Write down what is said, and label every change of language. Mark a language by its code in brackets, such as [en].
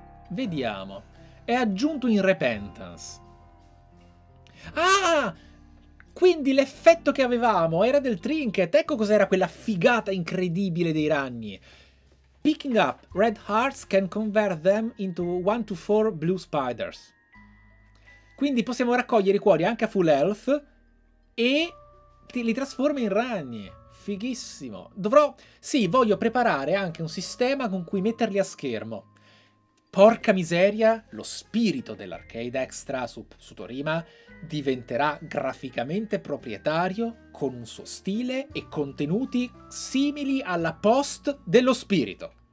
[it] Vediamo. È aggiunto in Repentance. Ah! Quindi l'effetto che avevamo era del trinket. Ecco cos'era quella figata incredibile dei ragni. [en] Picking up red hearts can convert them into 1-4 blue spiders. [it] Quindi possiamo raccogliere i cuori anche a full health e li trasforma in ragni. Fighissimo. Dovrò... Sì, voglio preparare anche un sistema con cui metterli a schermo. Porca miseria, lo spirito dell'Arcade Extra su Torima diventerà graficamente proprietario con un suo stile e contenuti simili alla post dello spirito.